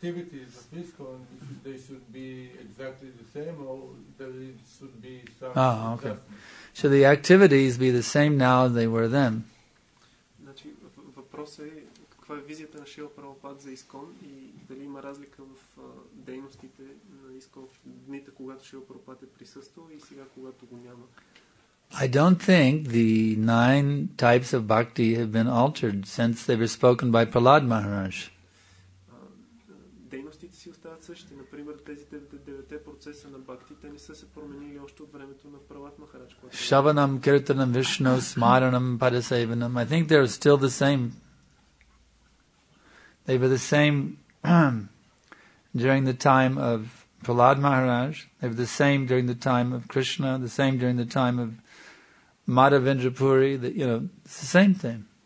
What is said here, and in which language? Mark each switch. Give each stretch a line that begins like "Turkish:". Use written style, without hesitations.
English: activities of ISKCON, they should be exactly the same, or there should be some... Ah, okay. Should the activities be the same now as they were then?
Bulgarian: Значи, въпросът е, каква е визията на Шрила Прабхупада за ИСКОН и дали има разлика в дейностите на ИСКОН в дните, когато Шрила Прабхупада е присъствал и сега, когато го няма.
English: I don't think the 9 types of bhakti have been altered since they were spoken by Prahlad Maharaj.
Bulgarian: Дейностите си остават същите, например, тези 9 процеса на бхакти, те не са се променили още от времето на Прахлад Махарадж.
Sanskrit: Шаванам, киртанам, вишну, смаранам, падасевенам.
English: I think they're still the same. They were the same during the time of Prahlad Maharaj, they were the same during the time of Krishna, the same during the time of Madhavendra Puri, you know, it's the same thing.